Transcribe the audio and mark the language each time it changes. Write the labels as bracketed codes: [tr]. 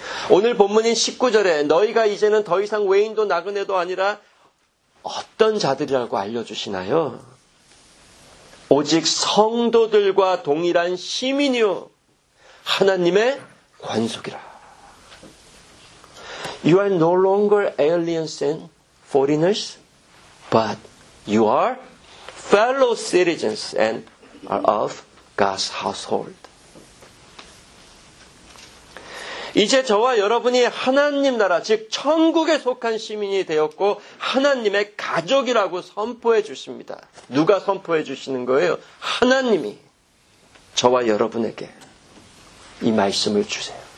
[ko] 오늘 본문인 19절에 너희가 이제는 더 이상 외인도 나그네도 아니라 어떤 자들이라고 알려주시나요? 오직 성도들과 동일한 시민이요 하나님의 관속이라. [en] You are no longer aliens and foreigners, but you are fellow citizens and are of God's household. [ko] 이제 저와 여러분이 하나님 나라, 즉 천국에 속한 시민이 되었고 하나님의 가족이라고 선포해 주십니다. 누가 선포해 주시는 거예요? 하나님이 저와 여러분에게 이 말씀을 주세요.